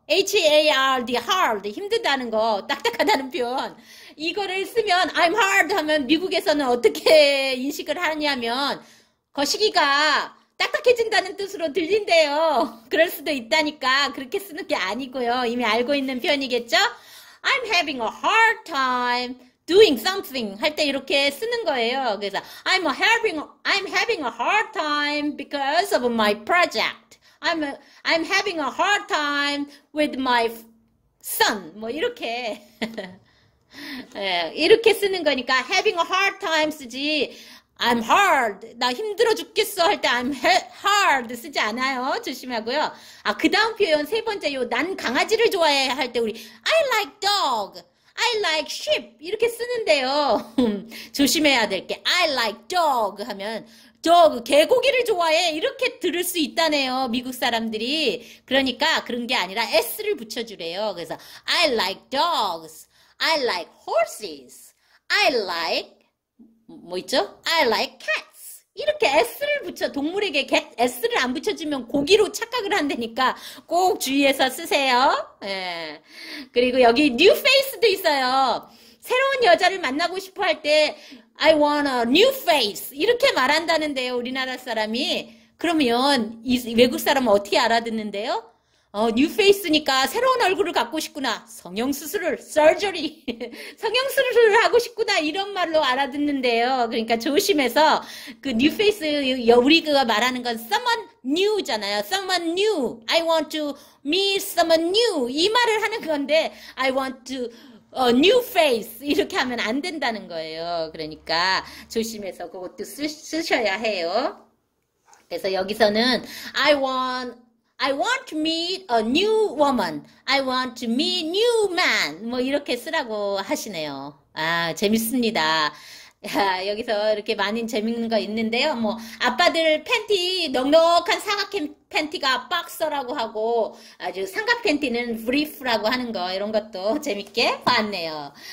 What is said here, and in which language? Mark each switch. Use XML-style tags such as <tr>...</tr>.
<ko>H-A-R-D, hard, 힘들다는 거, 딱딱하다는 표현. 이거를 쓰면</ko> <en>I'm hard</en> <ko>하면 미국에서는 어떻게 인식을 하냐면 거시기가 딱딱해진다는 뜻으로 들린대요. 그럴 수도 있다니까 그렇게 쓰는 게 아니고요. 이미 알고 있는 표현이겠죠?</ko> <en>I'm having a hard time doing something</en> <ko>할때 이렇게 쓰는 거예요. 그래서</ko> <en>I'm having a hard time because of my project. I'm having a hard time with my son.</en> <ko>뭐 이렇게 이렇게 쓰는 거니까</ko> <en>having a hard time</en> <ko>쓰지</ko> <en>I'm hard.</en> <ko>나 힘들어 죽겠어 할때</ko> <en>I'm hard</en> <ko>쓰지 않아요. 조심하고요. 아, 그다음 표현 세 번째 요난 강아지를 좋아해 할때 우리</ko> <en>I like dog. I like sheep</en> <ko>이렇게 쓰는데요. 조심해야 될 게.</ko> <en>I like dog</en> <ko>하면 dog 개고기를 좋아해 이렇게 들을 수 있다네요. 미국 사람들이. 그러니까 그런 게 아니라 S를 붙여주래요. 그래서</ko> <en>I like dogs. I like horses. I like</en> <ko>뭐 있죠?</ko> <en>I like cats.</en> <ko>이렇게 S를 붙여 동물에게 S를 안 붙여주면 고기로 착각을 한다니까 꼭 주의해서 쓰세요. 예. 그리고 여기 new face도 있어요. 새로운 여자를 만나고 싶어 할때</ko> <en>I want a new face</en> <ko>이렇게 말한다는데요. 우리나라 사람이 그러면 이 외국 사람은 어떻게 알아듣는데요? new face니까 새로운 얼굴을 갖고 싶구나. 성형 수술을 surgery 성형 수술을 하고 싶구나 이런 말로 알아듣는데요. 그러니까 조심해서 그 new face 우리 그거 말하는 건</ko> <en>someone new</en> <ko>잖아요.</ko> <en>Someone new. I want to meet someone new.</en> <ko>이 말을 하는 건데</ko> <en>I want to new face</en> <ko>이렇게 하면 안 된다는 거예요. 그러니까 조심해서 그것도 쓰셔야 해요. 그래서 여기서는</ko> <en>I want to meet a new woman. I want to meet new man.</en> <ko>뭐 이렇게 쓰라고 하시네요. 아, 재밌습니다. 야, 여기서 이렇게 많은 재밌는 거 있는데요. 뭐 아빠들 팬티 넉넉한 사각 팬티가 박서라고 하고 아주 삼각 팬티는 브리프라고 하는 거 이런 것도 재밌게 봤네요.</ko>